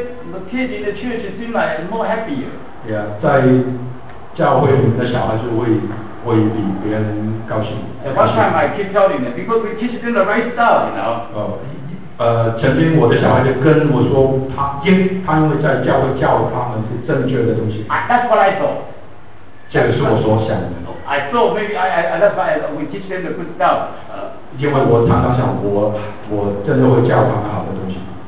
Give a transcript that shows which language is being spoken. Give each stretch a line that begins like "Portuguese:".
English: say the kids in the church seem like more happier.
Chinese: Yeah, 在教会里面的小孩子会比别人高兴。
English: At one time I keep telling them, because we teach them the right stuff, you know.
Chinese: 曾经我的小孩就跟我说，他因为在教会教他们是正确的东西。
English: That's what I thought.
Chinese: 这个是我所想的。
English: I thought maybe that's why we teach them the good stuff.
Chinese: 因为我常常想我真的会教他们好的东西。